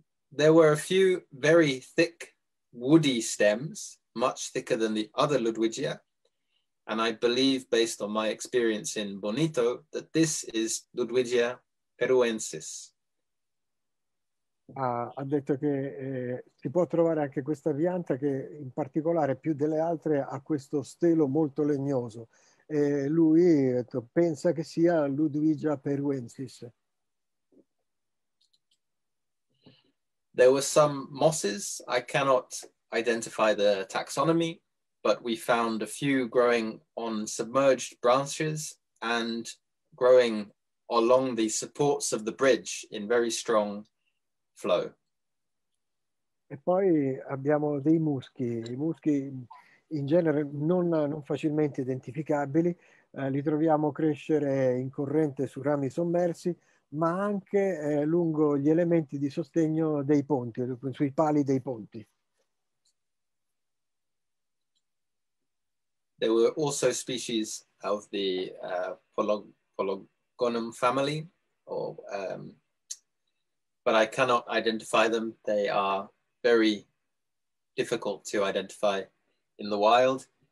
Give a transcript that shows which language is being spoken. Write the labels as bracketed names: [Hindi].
[English] There were a few very thick woody stems, much thicker than the other Ludwigia, and I believe, based on my experience in Bonito, that this is Ludwigia peruensis. [Italian] Ha detto che si può trovare anche questa pianta che in particolare più delle altre ha questo stelo molto legnoso. E lui detto, pensa che sia Ludwigia peruensis. [English] There were some mosses. I cannot identify the taxonomy, but we found a few growing on submerged branches and growing along the supports of the bridge in very strong flow. [Italian] E poi abbiamo dei muschi in genere non facilmente identificabili, li troviamo crescere in corrente su rami sommersi, ma anche lungo gli elementi di sostegno dei ponti, sui pali dei ponti. [English] There were also species of the Pologonum family, but I cannot identify them. They are very difficult to identify in the wild.